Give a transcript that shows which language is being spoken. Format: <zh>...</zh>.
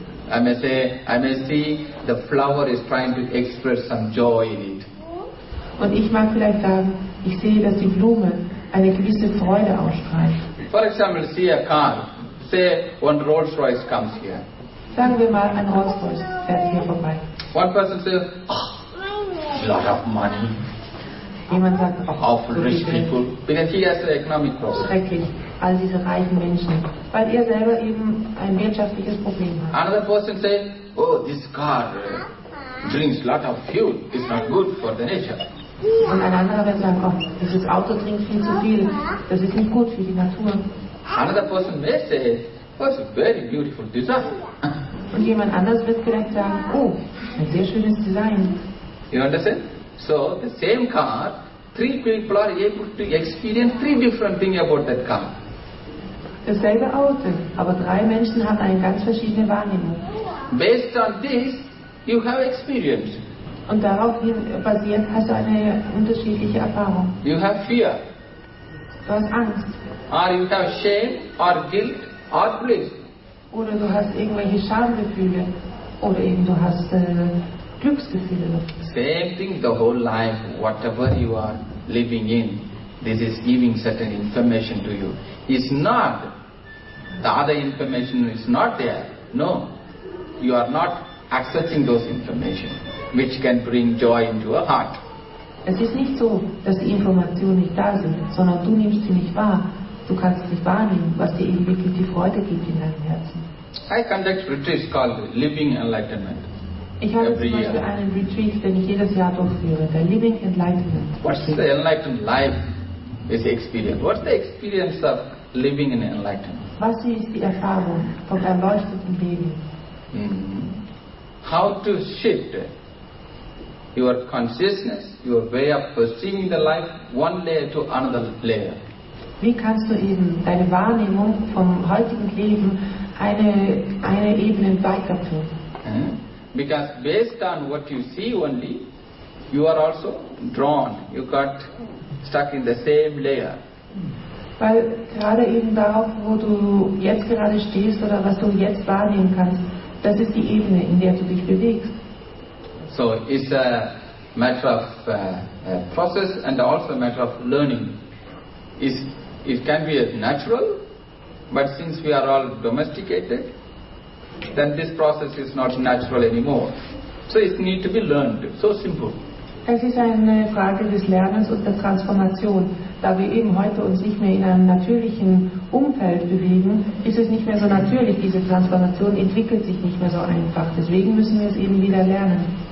<en>I may see the flower is trying to express some joy in it.</en> <de>Und ich mag vielleicht sagen, ich sehe, dass die Blume eine gewisse Freude ausstrahlt.</de> <en>For example, see a car. Say one Rolls Royce comes here.</en> <de>Sagen wir mal, ein Rolls Royce fährt hier vorbei.</de> <en>One person says, oh, lot of money.</en> <de>Jemand sagt, oh,</de> <en>of rich people. Because he has an economic problem.</en> <de>Schrecklich, all diese reichen Menschen. Weil er selber eben ein wirtschaftliches Problem hat.</de> <en>Another person says, oh, this car drinks a lot of fuel. It's not good for the nature.</en> <de>Und ein anderer wird sagen, oh, dieses Auto trinkt viel zu viel. Das ist nicht gut für die Natur.</de> <en>Another person may say, what a very beautiful design.</en> <de>Und jemand anders wird vielleicht sagen, oh, ein sehr schönes Design.</de> <en>You understand? So, the same car, three people are able to experience three different things about that car.</en> <de>Dasselbe Auto, aber drei Menschen haben eine ganz verschiedene Wahrnehmung.</de> <en>Based on this, you have experience.</en> <de>Und darauf basiert hast du eine unterschiedliche Erfahrung.</de> <en>You have fear.</en> <de>Du hast Angst.</de> <en>Or you have shame, or guilt, or bliss.</en> <de>Oder du hast irgendwelche Schamgefühle. Oder eben du hast Glücksgefühle.</de> <en>Same thing the whole life, whatever you are living in, this is giving certain information to you. It's not, the other information is not there. No, you are not accessing those information, which can bring joy into your heart.</en> <de>Es ist nicht so, dass die Informationen nicht da sind, sondern du nimmst sie nicht wahr. Du kannst nicht wahrnehmen, was dir eben wirklich die Freude gibt in deinem Herzen.</de> <en>I conduct retreats called Living Enlightenment.</en> <de>Ich habe zum Beispiel einen Retreat, den ich jedes Jahr durchführe, der Living Enlightenment.</de> <en>What's the enlightened life is experience? What's the experience of living in enlightenment?</en> <de>Was ist die Erfahrung vom erleuchteten Leben?</de> <en>How to shift your consciousness, your way of perceiving the life, one layer to another layer.</en> <de>Wie kannst du eben deine Wahrnehmung vom heutigen Leben eine Ebene weiter tun?</de> <en>Because based on what you see only, you are also drawn. You got stuck in the same layer.</en> <de>Weil gerade eben darauf, wo du jetzt gerade stehst oder was du jetzt wahrnehmen kannst, das ist die Ebene, in der du dich bewegst.</de> <en>So, it's a matter of process and also a matter of learning. It can be a natural, but since we are all domesticated, then this process is not natural anymore. So it needs to be learned. So simple.</en> <de>Es ist eine Frage des Lernens und der Transformation. Da wir eben heute uns nicht mehr in einem natürlichen Umfeld bewegen, ist es nicht mehr so natürlich. Diese Transformation entwickelt sich nicht mehr so einfach. Deswegen müssen wir es eben wieder lernen.</de>